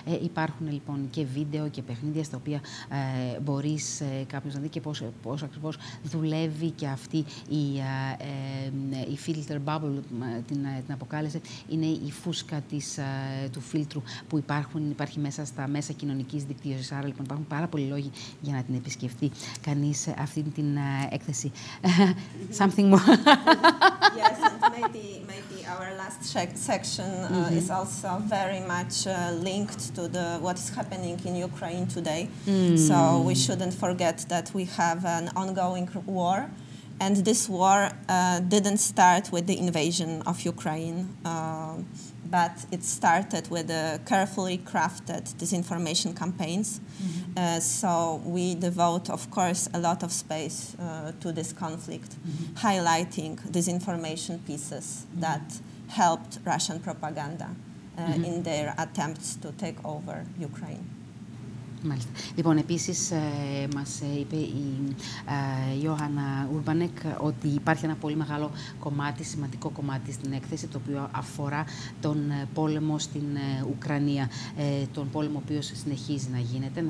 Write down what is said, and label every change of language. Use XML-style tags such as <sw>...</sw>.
<el>Υπάρχουν λοιπόν και βίντεο και παιχνίδια στα οποία μπορείς κάποιος να δει και πώς ακριβώς δουλεύει και αυτή η filter bubble, την αποκάλεσε, είναι η φούσκα του φίλτρου που υπάρχει μέσα στα μέσα κοινωνικής δικτύωσης. Άρα λοιπόν υπάρχουν πάρα πολλοί λόγοι για να την επισκεφτεί κανείς αυτή την έκθεση.</el> <en>Something more. Yes, and maybe our last section mm-hmm. is also very much linked to what is happening in Ukraine today. Mm. So we shouldn't forget that we have an ongoing war. And this war didn't start with the invasion of Ukraine, but it started with carefully crafted disinformation campaigns. Mm-hmm. So we devote, of course, a lot of space to this conflict, mm-hmm. highlighting disinformation pieces mm-hmm. that helped Russian propaganda in their attempts to take over Ukraine.</en> <el>Μάλιστα. Λοιπόν, επίσης μας είπε η Ιωάννα Ουρμπανέκ ότι υπάρχει ένα πολύ μεγάλο κομμάτι, σημαντικό κομμάτι στην έκθεση, το οποίο αφορά τον πόλεμο στην Ουκρανία, τον πόλεμο ο οποίος συνεχίζει να γίνεται.</el>